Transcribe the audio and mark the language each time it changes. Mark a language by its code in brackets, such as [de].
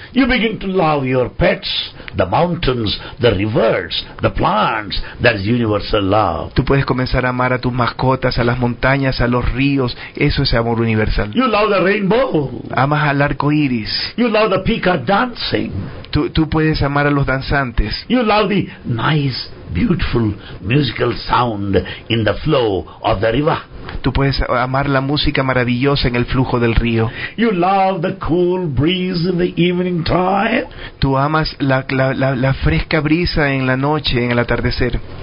[en] You begin to love your pets, the mountains, the rivers, the plants. That is universal love. [es] Tú puedes comenzar a amar a tus mascotas, a las montañas, a los ríos. Eso es amor universal. [en] You love the rainbow. [es] Amas al arco iris. [en] You love the peacock dancing. [es] Tú puedes amar a los danzantes. [en] You love the nice, beautiful musical sound in the flow of the river. [es] Tú puedes amar la música maravillosa en el flujo del río. [en] You love the cool breeze in the evening time. [es] Tú amas la fresca brisa en la noche, en el atardecer.